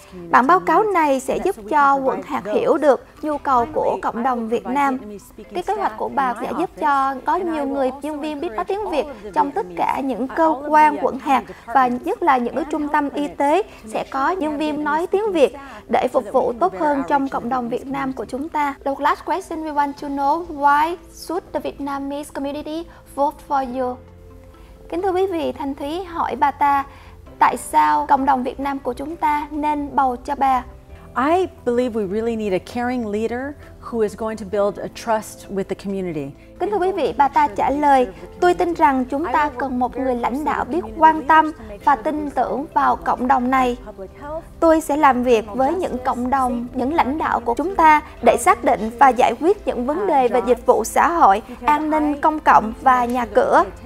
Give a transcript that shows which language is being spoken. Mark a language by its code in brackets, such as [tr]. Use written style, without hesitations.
[vi] Bản báo cáo này sẽ giúp cho quận hạt hiểu được nhu cầu của cộng đồng Việt Nam. Cái kế hoạch của bà sẽ giúp cho có nhiều người nhân viên biết nói tiếng Việt trong tất cả những cơ quan quận hạt và nhất là những trung tâm y tế sẽ có nhân viên nói tiếng Việt để phục vụ tốt hơn trong cộng đồng Việt Nam của chúng ta. [en] The last question we want to know, why should the Vietnamese community vote for you? [vi] Kính thưa quý vị, Thanh Thúy hỏi bà ta, tại sao cộng đồng Việt Nam của chúng ta nên bầu cho bà? [en] I believe we really need a caring leader who is going to build a trust with the community. [vi] Kính thưa quý vị, bà ta trả lời, tôi tin rằng chúng ta cần một người lãnh đạo biết quan tâm và tin tưởng vào cộng đồng này. Tôi sẽ làm việc với những cộng đồng, những lãnh đạo của chúng ta để xác định và giải quyết những vấn đề về dịch vụ xã hội, an ninh công cộng và nhà cửa.